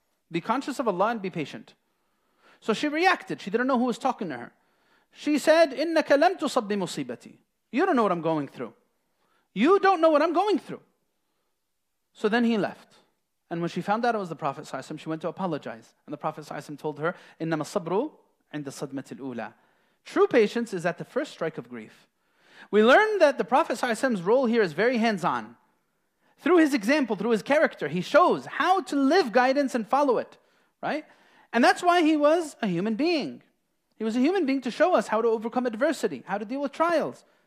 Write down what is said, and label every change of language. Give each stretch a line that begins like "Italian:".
English: Be conscious of Allah and be patient. So she reacted. She didn't know who was talking to her. She said,
Arabic: "Innaka lam tusab bi musibati."
English: You don't know what I'm going through. You don't know what I'm going through. So then he left. And when she found out it was the Prophet ﷺ, she went to apologize. And the Prophet ﷺ told her,
Arabic: إِنَّمَا الصَّبْرُ عِنْدَ صَدْمَةِ الْأُولَى.
English: True patience is at the first strike of grief. We learn that the Prophet ﷺ's role here is very hands-on. Through his example, through his character, he shows how to live guidance and follow it. Right? And that's why he was a human being. He was a human being to show us how to overcome adversity, how to deal with trials.